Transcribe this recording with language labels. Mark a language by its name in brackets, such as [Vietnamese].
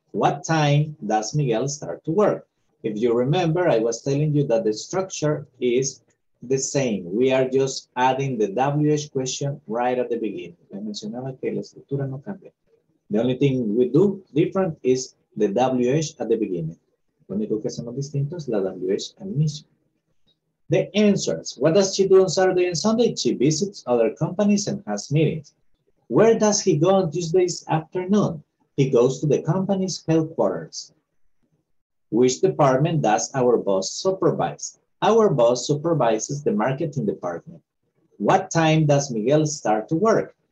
[English] What time does Miguel start to work? If you remember, I was telling you that the structure is the same. We are just adding the WH question right at the beginning. [Spanish] I mencionaba que la estructura no cambia. [English] The only thing we do different is the WH at the beginning. [Spanish] Lo único que hacemos distinto es la WH al inicio. [English] The answers. What does she do on Saturday and Sunday? She visits other companies and has meetings. Where does he go on Tuesday's afternoon? He goes to the company's headquarters. Which department does our boss supervise? Our boss supervises the marketing department. What time does Miguel start to work?